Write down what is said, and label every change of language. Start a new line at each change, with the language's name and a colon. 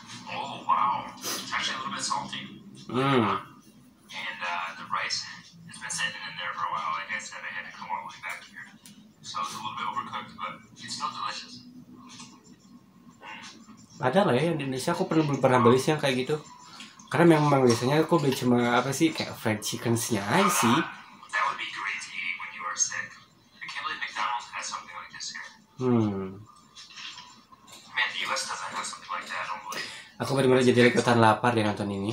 English: Oh wow, it's actually a little bit salty. And the rice has been sitting in there for a while. Like I said, I had to come all the way back here, so it's a little bit overcooked, but it's still delicious.
Indonesian: Ada lah ya yang di Indonesia, aku pernah beli sih yang kayak gitu. Karena memang biasanya aku beli cuma apa sih, kayak fried chicken-nya aja sih.
English: when you are sick. I can't believe McDonald's has something like this here. Man, the US doesn't have something like that, I don't believe.
Indonesian: Aku benar-benar jadi ikutan lapar deh nonton ini.